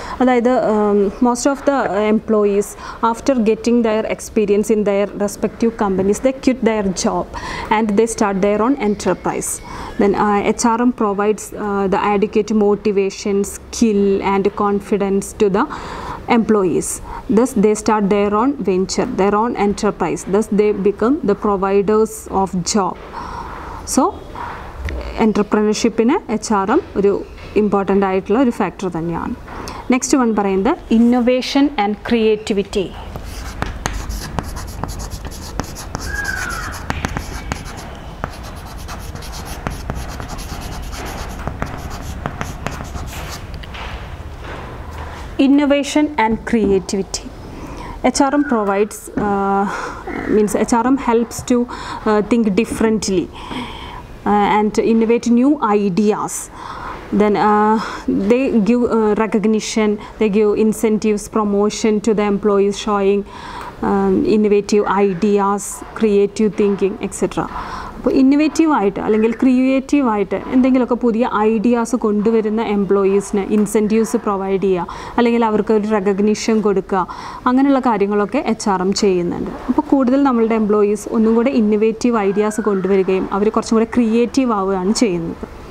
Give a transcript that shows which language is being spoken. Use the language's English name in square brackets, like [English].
[Malayalam] അതായത് [English] Most of the employees after getting their experience in their respective companies they quit their job and they start their own enterprise. Then H R M provides the adequate motivation skill and confidence to the employees. Thus they start their own venture, their own enterprise. Thus they become the providers of job. So entrepreneurship in HRM [Malayalam] oru important aayittulla oru factor thaniyan. [English] Next one [Malayalam] parayunnathu [English] innovation and creativity. Innovation and creativity. HRM provides, means HRM helps to think differently and innovate new ideas. Then they give recognition, they give incentives, promotion to the employees showing innovative ideas, creative thinking, etc. [Malayalam] അപ്പോൾ innovative ആയിട്ട് അല്ലെങ്കിൽ creative ആയിട്ട് എന്തെങ്കിലുമൊക്കെ പുതിയ ideas കൊണ്ടുവരുന്ന എംപ്ലോയീസിന് incentives provide ചെയ്യുക അല്ലെങ്കിൽ അവർക്ക് ഒരു റെക്കഗ്നീഷൻ കൊടുക്കുക അങ്ങനെയുള്ള കാര്യങ്ങളൊക്കെ എച്ച് ആർ എം ചെയ്യുന്നുണ്ട്. അപ്പോൾ കൂടുതൽ നമ്മളുടെ എംപ്ലോയീസ് ഒന്നും കൂടെ ഇന്നൊവേറ്റീവ് ഐഡിയാസ് കൊണ്ടുവരികയും അവർ കുറച്ചും കൂടെ ക്രിയേറ്റീവ് ആവുകയാണ് ചെയ്യുന്നത്.